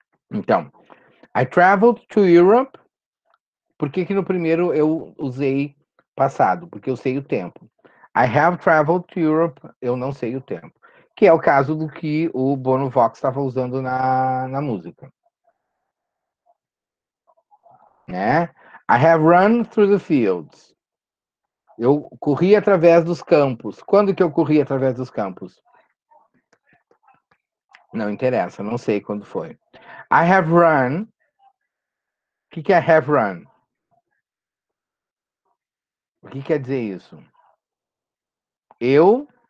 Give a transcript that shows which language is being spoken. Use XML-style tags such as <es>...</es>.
<en>Então, I traveled to Europe.</en> <pt>Por que que no primeiro eu usei passado? Porque eu sei o tempo.</pt> <en>I have traveled to Europe.</en> <pt>Eu não sei o tempo. Que é o caso do que o Bono Vox estava usando na música. Né?</pt> <en>I have run through the fields.</en> <pt>Eu corri através dos campos. Quando que eu corri através dos campos? Não interessa, não sei quando foi.</pt> <en>I have run.</en> <pt>O que que é</pt> <en>have run?</en> <pt>O que quer dizer isso? Eu?</pt>